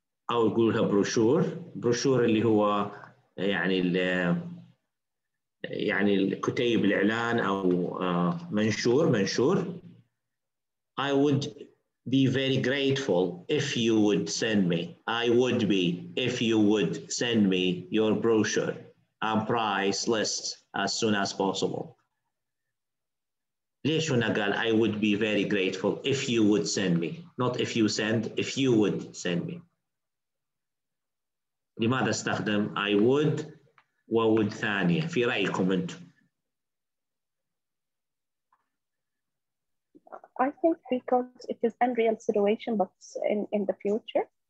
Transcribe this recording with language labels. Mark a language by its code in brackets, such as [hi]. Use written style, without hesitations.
[ar] أو يقولها بروشور اللي هو يعني الكتيب الإعلان أو منشور. [en] I would be very grateful if you would send me. I would be if you would send me your brochure and price list as soon as possible. [ar] ليش هنا قال [en] I would be very grateful if you would send me. Not if you send, if you would send me. [ar] لماذا استخدم [en] I would [ar] و would ثانية في رأيكم أنتم؟ [en] I think because it is unreal situation, but in the future.